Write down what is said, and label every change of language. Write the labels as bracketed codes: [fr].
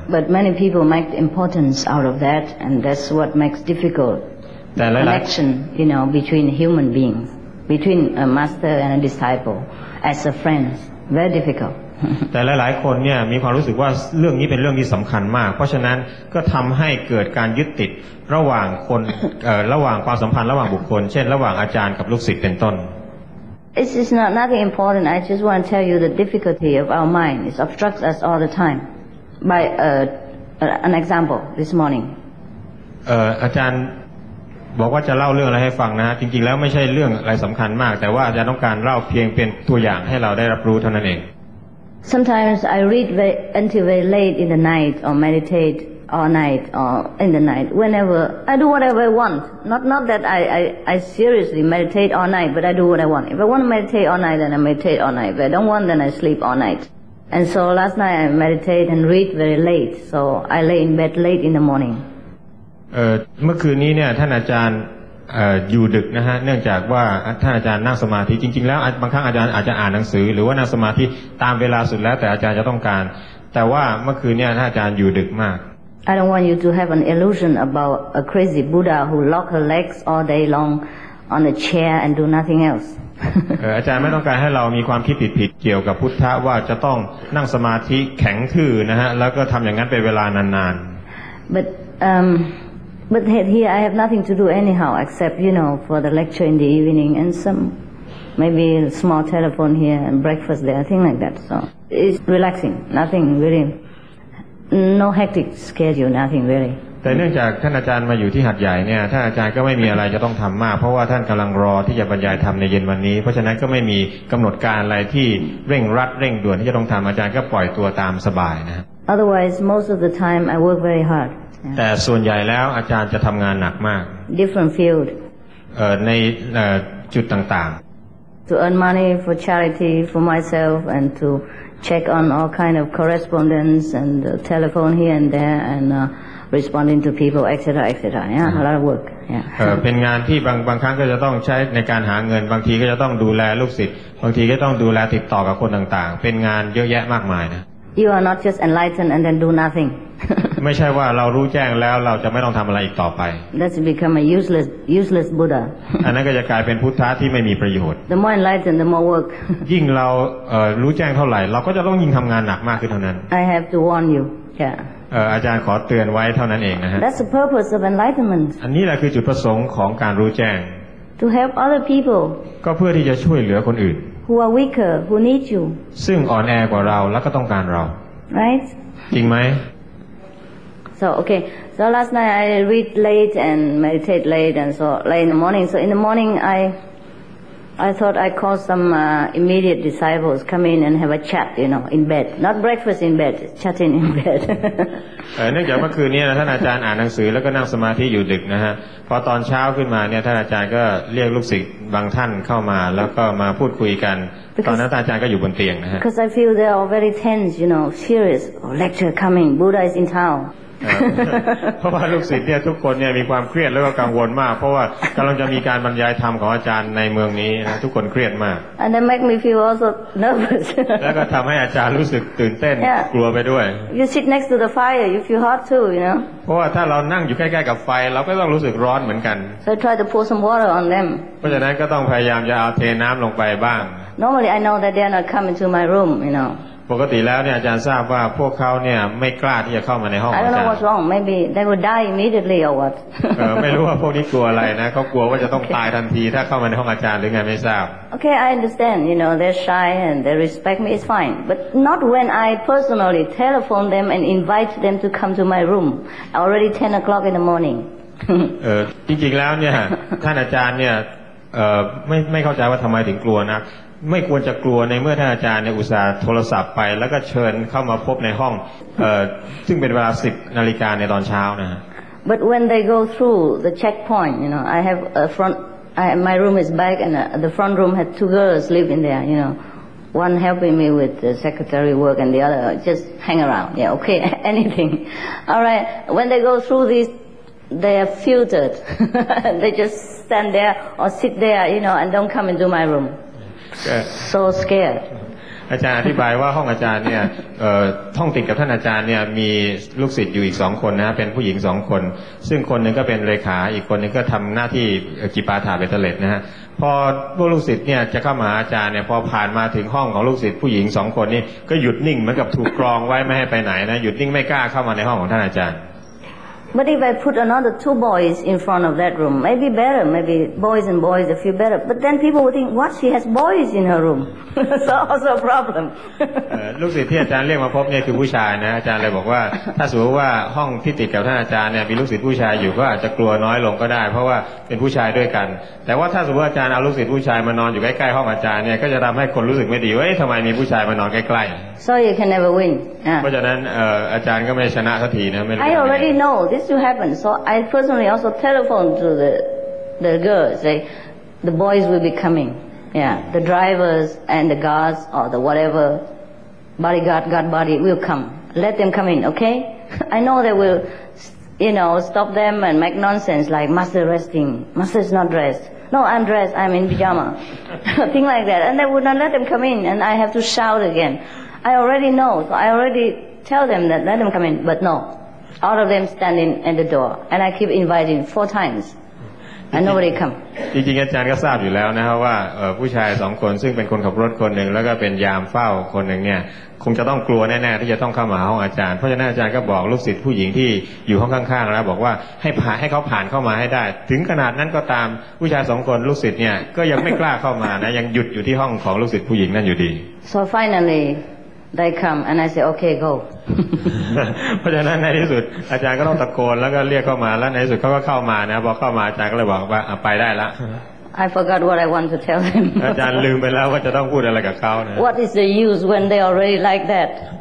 [en] But many people make importance out of that, and that's what makes difficult. Connection, you know, between human beings, between a master and a disciple, as a friend, very difficult. [th] แต่หลายๆคนเนี่ยมีความรู้สึกว่าเรื่องนี้เป็นเรื่องที่สำคัญมากเพราะฉะนั้นก็ทำให้เกิดการยึดติดระหว่างคนระหว่างความสัมพันธ์ระหว่างบุคคลเช่นระหว่างอาจารย์กับลูกศิษย์เป็นต้น [en] It's nothing important. I just want to tell you the difficulty of our mind. It obstructs us all the time. By an example, this morning. [th] อาจารย์ บอกว่าจะเล่าเรื่องอะไรให้ฟังนะจริงๆแล้วไม่ใช่เรื่องอะไรสำคัญมากแต่ว่าอาจารย์ต้องการเล่าเพียงเป็นตัวอย่างให้เราได้รับรู้เท่านั้นเอง [en] Sometimes I read until very late in the night or meditate all night or in the night whenever I do whatever I want not that I seriously meditate all night but I do what I want if I want to meditate all night then I meditate all night if I don't want then I sleep all night And so last night I meditate and read very late, so I lay in bed late in the morning. [th] เมื่อคืนนี้เนี่ยท่านอาจารย์อยู่ดึกนะฮะเนื่องจากว่าท่านอาจารย์นั่งสมาธิจริงๆแล้วบางครั้งอาจารย์อาจจะอ่านหนังสือหรือว่านั่งสมาธิตามเวลาสุดแล้วแต่อาจารย์จะต้องการแต่ว่าเมื่อคืนนี้ท่านอาจารย์อยู่ดึกมาก [en] I don't want you to have an illusion about a crazy Buddha who lock her legs all day long on a chair and do nothing else. [th] อาจารย์ไม่ต้องการให้เรามีความคิดผิดๆเกี่ยวกับพุทธะว่าจะต้องนั่งสมาธิแข็งทื่อนะฮะแล้วก็ทำอย่างนั้นเป็นเวลานาน [en] ๆ butBut here I have nothing to do anyhow except, you know, for the lecture in the evening and some, maybe a small telephone here and breakfast there, things like that. So it's relaxing, nothing really, no hectic schedule, nothing really. But [th] เนื่องจากท่านอาจารย์มาอยู่ที่หาดใหญ่เนี่ยท่านอาจารย์ก็ไม่มีอะไรจะต้องทำมากเพราะว่าท่านกำลังรอที่จะบรรยายธรรมในเย็นวันนี้เพราะฉะนั้นก็ไม่มีกำหนดการอะไรที่เร่งรัดเร่งด่วนที่จะต้องทำอาจารย์ก็ปล่อยตัวตามสบายนะ [en] Otherwise, most of the time I work very hard. [th] แต่ส่วนใหญ่แล้วอาจารย์จะทำงานหนักมาก [en] different field [th] ในจุดต่าง [en] ๆ to earn money for charity for myself and to check on all kind of correspondence and telephone here and there and responding to people etc etc yeah a lot of work yeah [th] เป็นงานที่บางครั้งก็จะต้องใช้ในการหาเงินบางทีก็จะต้องดูแลลูกศิษย์บางทีก็ต้องดูแลติดต่อกับคนต่างๆเป็นงานเยอะแยะมากมายนะ [en] you are not just enlightened and then do nothing [th] ไม่ใช่ว่าเรารู้แจ้งแล้วเราจะไม่ต้องทำอะไรอีกต่อไป [en] That's become a useless Buddha [th] อันนั้นก็จะกลายเป็นพุทธะที่ไม่มีประโยชน์ [en] The more enlightened the more work [th] ยิ่งเรารู้แจ้งเท่าไหร่เราก็จะต้องยิ่งทำงานหนักมากขึ้นเท่านั้น [en] I have to warn you yeah [th] อาจารย์ขอเตือนไว้เท่านั้นเองนะฮะ [en] That's the purpose of enlightenment [th] อันนี้แหละคือจุดประสงค์ของการรู้แจ้ง [en] To help other people [th] ก็เพื่อที่จะช่วยเหลือคนอื่น [en] Who are weaker who need you [th] ซึ่งอ่อนแอกว่าเราแล้วก็ต้องการเรา [en] Right [th] จริงไหม [en] So okay. So last night I read late and meditate late, and so late in the morning. So in the morning I thought I call some immediate disciples come in and have a chat, you know, in bed. Not breakfast in bed, chatting in bed. [th] เนื่องจากเมื่อคืนนี้ท่านอาจารย์อ่านหนังสือแล้วก็นั่งสมาธิอยู่ดึกนะฮะพอตอนเช้าขึ้นมาเนี่ยท่านอาจารย์ก็เรียกลูกศิษย์บางท่านเข้ามาแล้วก็มาพูดคุยกันตอนนั้นท่านอาจารย์ก็อยู่บนเตียงนะฮะ [en] Because I feel they are very tense, you know, serious. Oh, lecture coming. Buddha is in town. [th] เพราะว่าลูกศิษย์เนี่ยทุกคนเนี่ยมีความเครียดแล้วก็กังวลมากเพราะว่ากำลังจะมีการบรรยายธรรมของอาจารย์ในเมืองนี้นะทุกคนเครียดมาก [en] And that make me feel also nervous [th] แล้วก็ทำให้อาจารย์รู้สึกตื่นเต้นกลัวไปด้วย [en] You sit next to the fire you feel hot too you know [th] เพราะว่าถ้าเรานั่งอยู่ใกล้ๆกับไฟเราก็ต้องรู้สึกร้อนเหมือนกัน [en] So I try to pour some water on them [th] เพราะฉะนั้นก็ต้องพยายามจะเอาเทน้ำลงไปบ้าง [en] Normally I know that they are not coming to my room you know [th] ปกติแล้วเนี่ยอาจารย์ทราบว่าพวกเขาเนี่ยไม่กล้าที่จะเข้ามาในห้องอาจารย์ [en] I don't know what's wrong maybe they would die immediately or what [th] ไม่รู้ว่าพวกนี้กลัวอะไรนะเขากลัวว่าจะต้องตายทันทีถ้าเข้ามาในห้องอาจารย์หรือไงไม่ทราบ [en] Okay I understand you know they're shy and they respect me it's fine but not when I personally telephone them and invite them to come to my room already 10 o'clock in the morning [th] จริงๆแล้วเนี่ยท่านอาจารย์เนี่ยไม่เข้าใจว่าทำไมถึงกลัวนะไม่ควรจะกลัวในเมื่อท่านอาจารย์เนี่ยอุตส่าห์โทรศัพท์ไปแล้วก็เชิญเข้ามาพบในห้องซึ่งเป็นเวลา10นาฬิกาในตอนเช้านะ [en] But when they go through the checkpoint you know I have a front my room is back and the front room had two girls live in there you know one helping me with the secretary work and the other just hang around yeah okay anything all right when they go through these they are filtered they just stand there or sit there you know and don't come into my roomSo scared. [th] อาจารย์อธิบายว่าห้องอาจารย์เนี่ยห้องติดกับท่านอาจารย์เนี่ยมีลูกศิษย์อยู่อีก2คนนะเป็นผู้หญิง2คนซึ่งคนนึงก็เป็นเลขาอีกคนนึงก็ทำหน้าที่กิปาถาเบตเลตนะฮะพอพวกลูกศิษย์เนี่ยจะเข้ามาอาจารย์เนี่ยพอผ่านมาถึงห้องของลูกศิษย์ผู้หญิง2คนนี่ก็หยุดนิ่งเหมือนกับถูกกรองไว้ไม่ให้ไปไหนนะหยุดนิ่งไม่กล้าเข้ามาในห้องของท่านอาจารย์ [en] But if I put another two boys in front of that room, maybe better. Maybe boys and boys, they feel better. But then people would think, what? She has boys in her room. So also a problem. [th] ลูกศิษย์ที่อาจารย์เรียกมาพบเนี่ยคือผู้ชายนะอาจารย์เลยบอกว่าถ้าสมมติว่าห้องที่ติดกับท่านอาจารย์เนี่ยมีลูกศิษย์ผู้ชายอยู่ก็อาจจะกลัวน้อยลงก็ได้เพราะว่าเป็นผู้ชายด้วยกันแต่ว่าถ้าสมมติอาจารย์เอาลูกศิษย์ผู้ชายมานอนอยู่ใกล้ๆห้องอาจารย์เนี่ยก็จะทำให้คนรู้สึกไม่ดีว่าทำไมมีผู้ชายมานอนใกล้ [en] ๆ So you can never win. [th] เพราะฉะนั้นอาจารย์ก็ไม่ชนะสักทีนะไม่รู้ [en] I already knowThis will happen. So I personally also telephone to the girls. Say the boys will be coming. Yeah, the drivers and the guards or the whatever bodyguard, guard body will come. Let them come in, okay? I know they will, you know, stop them and make nonsense like master resting. Master is not dressed. No, I'm dressed. I'm in pajama. Thing like that. And they would not let them come in. And I have to shout again. I already know. So I already tell them that let them come in. But no. All of them standing at the door. And I keep inviting 4 times. And nobody come. [th] จริงๆอาจารย์ก็ทราบอยู่แล้วนะครับว่าผู้ชาย2 คนซึ่งเป็นคนขับรถคนหนึ่งแล้วก็เป็นยามเฝ้าคนหนึ่งเนี่ยคงจะต้องกลัวแน่ๆที่จะต้องเข้ามาห้องอาจารย์เพราะฉะนั้นอาจารย์ก็บอกลูกศิษย์ผู้หญิงที่อยู่ห้องข้างๆแล้วบอกว่าให้พาให้เขาผ่านเข้ามาให้ได้ถึงขนาดนั้นก็ตามผู้ชาย2 คนลูกศิษย์เนี่ยก็ยังไม่กล้าเข้ามานะยังหยุดอยู่ที่ห้องของลูกศิษย์ผู้หญิงนั่นอยู่ดี [en] So finally they come and I say okay go [th] เพราะฉะนั้นในที่สุดอาจารย์ก็ต้องตะโกนแล้วก็เรียกเข้ามาแล้วในที่สุดเขาก็เข้ามานะพอเข้ามาอาจารย์ก็เลยบอกว่าไปได้ละ [en] I forgot what I want to tell him. [th] อาจารย์ลืมไปแล้วว่าจะต้องพูดอะไรกับเขานะ [en] What is the use when they already like that?